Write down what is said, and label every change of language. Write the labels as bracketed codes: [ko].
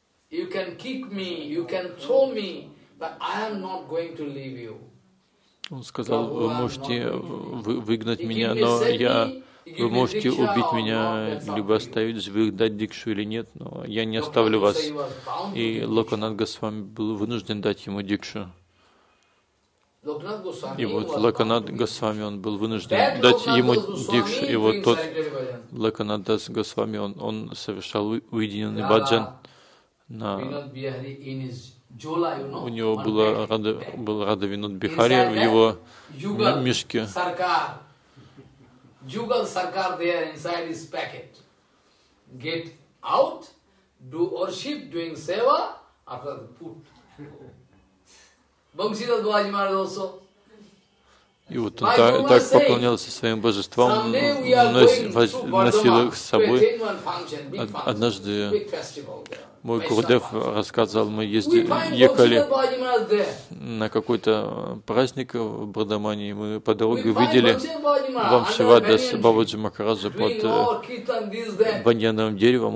[en] You can kick me, you can throw me, but I am not going to leave you. [ru] Он сказал: вы можете выгнать меня, но я, вы можете убить меня, либо оставить живых, дать дикшу или нет, но я не оставлю вас. И Локанат Госвами был вынужден дать ему дикшу. И вот Локанат Госвами, он был вынужден дать ему дикшу. И вот тот Локанат Госвами, он совершал уединенный баджан на... У него был Рада Винод Бихари в его мешке. [en] Jugal Sarkar there inside his packet. Get out, do worship, doing seva, after that put. Bangshidas Bhaji Maharaj also. [ru] И вот он так поклонялся своим божествам, носил их с собой. Однажды мой Гурудев рассказывал, мы ехали на какой-то праздник в Брадамане, и мы по дороге увидели Вамшивадас Бабаджи Махараджа под баньяновым деревом.